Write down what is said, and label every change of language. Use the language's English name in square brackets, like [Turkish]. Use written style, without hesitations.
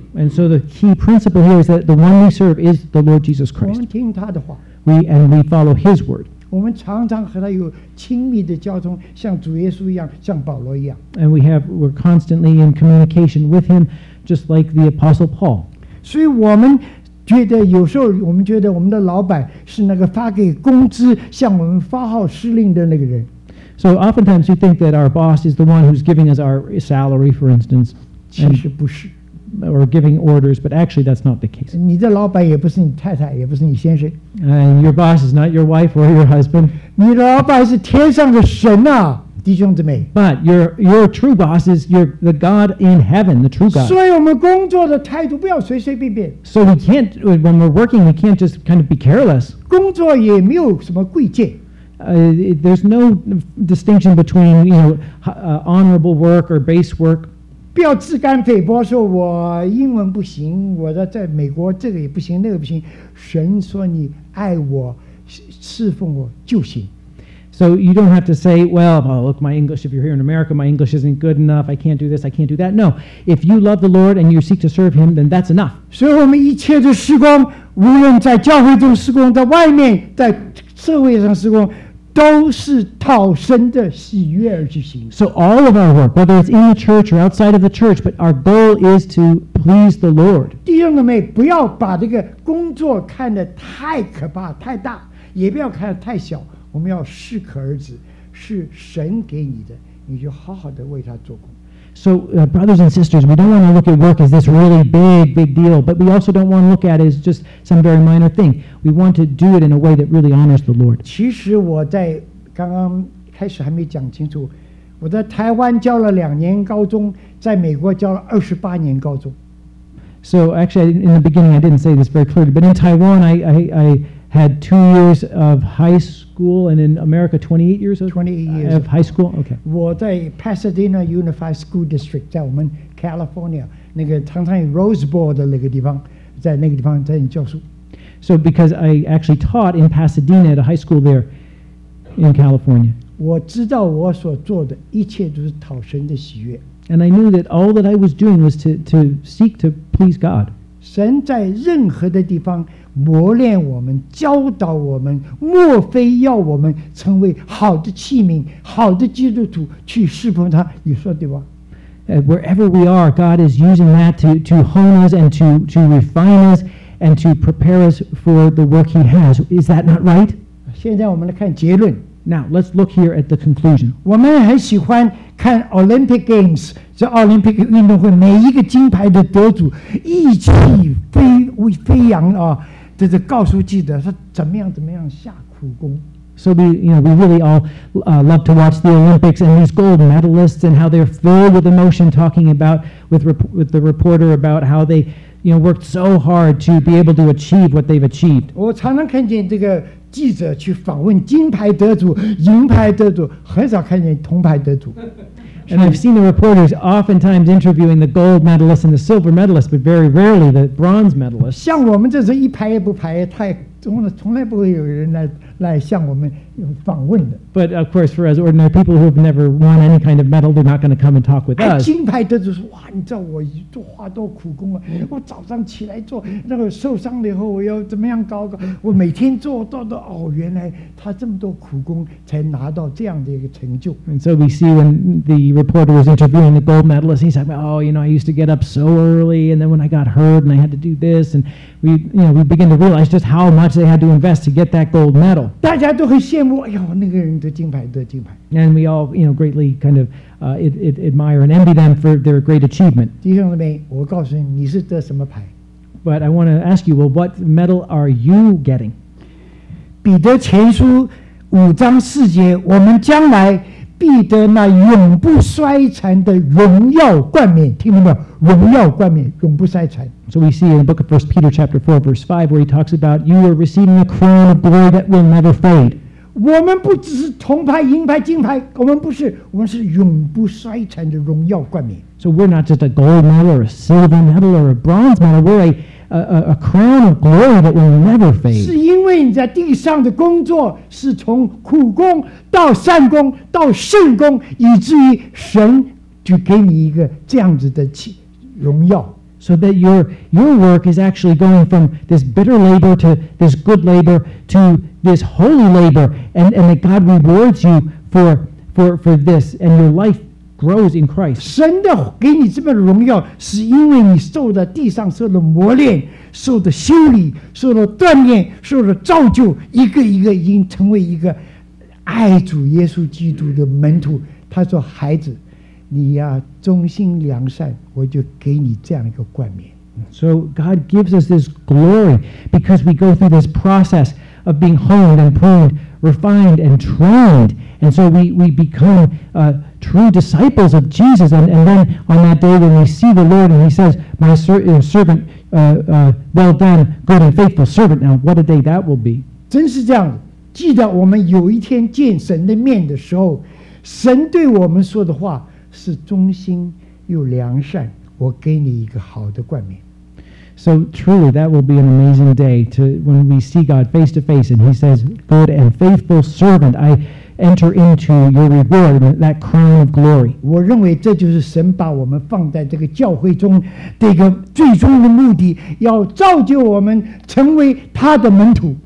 [English] And so the key principle here is that the one we serve is the Lord Jesus Christ. [Chinese] 我们听他的话。 [English] We follow His word. [Chinese] 我们常常和他有亲密的交通，像主耶稣一样，像保罗一样。 [English] And we're constantly in communication with Him, just like the Apostle Paul. [Chinese] 所以我们。觉得有时候我们觉得我们的老板是那个发给工资向我们发号施令的那个人。 [English] So oftentimes you think that our boss is the one who's giving us our salary, for instance. [Chinese] 其实不是。 [English] Or giving orders, but actually that's not the case. [Chinese] 你的老板也不是你太太，也不是你先生。 [English] And your boss is not your wife or your husband. [Chinese] 你的老板是天上的神啊，弟兄姊妹。 [English] But your true boss is the God in heaven, the true God. [Chinese] 所以我们工作的态度不要随随便便。 [English] So we can't, when we're working, we can't just kind of be careless. [Chinese] 工作也没有什么贵贱。 [English] There's no distinction between, you know, honorable work or base work. [Chinese] 不要自甘菲薄说我英文不行，我在美国这个也不行，那个不行。神说你爱我，侍奉我就行。 [English] So you don't have to say, well, look, my English, if you're here in America, my English isn't good enough, I can't do this, I can't do that. No, if you love the Lord and you seek to serve Him, then that's enough. [Chinese] 所以我们一切的施工，无论在教会中施工，在外面，在社会上施工，都是讨神的喜悦而去行。 [English] So all of our work, whether it's in the church or outside of the church, but our goal is to please the Lord. [Chinese] 弟兄姊妹，不要把这个工作看得太可怕、太大，也不要看得太小。我们要适可而止，是神给你的，你就好好的为他做工。 [English] So, brothers and sisters, we don't want to look at work as this really big deal, but we also don't want to look at it as just some very minor thing. We want to do it in a way that really honors the Lord. [Chinese] 其实我在刚刚开始还没讲清楚，我在台湾教了两年高中，在美国教了28年高中。 [English] So, actually, in the beginning, I didn't say this very clearly, but in Taiwan, I had 2 years of high school. And in America, 28 years of 28 years. High school? Okay. [Chinese] 我在 Pasadena Unified School District, 在我们 California, 那个常常 Rose Bowl 的那个地方，在那个地方在教书。 [English] So because I actually taught in Pasadena at a high school there. in California. [Chinese] 我知道我所做的一切都是讨神的喜悦。 [English] And I knew that all that I was doing was to seek to please God. [Chinese] 神在任何的地方磨练我们，教导我们，莫非要我们成为好的器皿，好的基督徒去侍奉他，你说对吧？ [English] Wherever we are, God is using that to hone us and to refine us and to prepare us for the work He has. Is that not right? [Chinese] 现在我们来看结论。 [English] Now, let's look here at the conclusion. [Chinese] 我们很喜欢看 Olympic Games, 这 Olympic 运动会每一个金牌的得主意气飞扬啊，这是告诉记者说怎么样下苦功。 [English] So we really all love to watch the Olympics and these gold medalists and how they're filled with emotion talking about with the reporter about how they worked so hard to be able to achieve what they've achieved. [Chinese] 我常常看见这个记者去访问金牌得主、银牌得主，很少看见铜牌得主。 [English] And I've seen the reporters oftentimes interviewing the gold medalists and the silver medalists, but very rarely the bronze medalists. [Chinese] 像我们这是一排也不排，太从来不会有人来向我们访问的。 [English] But of course, for us ordinary people who have never won any kind of medal, they're not going to come and talk with us. [Chinese] 金牌得主说：“哇，你知道我做花多苦功啊！我早上起来做，那个受伤了以后，我要怎么样搞？我每天做到哦，原来他这么多苦功才拿到这样的一个成就。” [English] And so we see when the reporter was interviewing the gold medalist, he's like, "Oh, I used to get up so early, and then when I got hurt, and I had to do this, and we begin to realize just how much they had to invest to get that gold medal." [Chinese] 大家都很羡慕，哎呦，那个人得金牌。 [English] And we all, greatly kind of admire and envy them for their great achievement. [Chinese] 弟兄姊妹，我告诉你，你是得什么牌 [English] ？But I want to ask you, well, what medal are you getting? [Chinese] 彼得前书五章四节，我们将来必得那永不衰残的荣耀冠冕，听到没有？荣耀冠冕，永不衰残。 [English] So we see in the book of 1 Peter chapter 4 verse 5 where he talks about you are receiving a crown of glory that will never fade. [Chinese] 我们不只是铜牌、银牌、金牌，我们不是，我们是永不衰残的荣耀冠冕。 [English] So we're not just a gold medal or a silver medal or a bronze medal, we're a crown of glory that will never fade. [Chinese] 是因为你在地上的工作是从苦工到善工到圣工，以至于神就给你一个这样子的荣耀。 [English] So that your work is actually going from this bitter labor to this good labor to this holy labor, and that God rewards you for this, and your life grows in Christ. [Chinese] 神的给你这么的荣耀，是因为你受的地上受的磨练、受的修理、受的锻炼、受的造就，一个一个已经成为一个爱主耶稣基督的门徒。他说：“孩子。” 你呀，忠心良善，我就给你这样一个冠冕。 [English] So God gives us this glory because we go through this process of being honed and pruned, refined and trained, and so we become true disciples of Jesus. And then on that day when we see the Lord and He says, "My servant, well done, good and faithful servant." Now, what a day that will be! [Chinese] 真是这样，记得我们有一天见神的面的时候，神对我们说的话。是忠心又良善，我给你一个好的冠冕。 [English] So truly, that will be an amazing day to when we see God face to face, and He says, "Good and faithful servant, I enter into your reward, that crown of glory." [Chinese] 我认为这就是神把我们放在这个教会中的一个最终的目的，要造就我们成为他的门徒。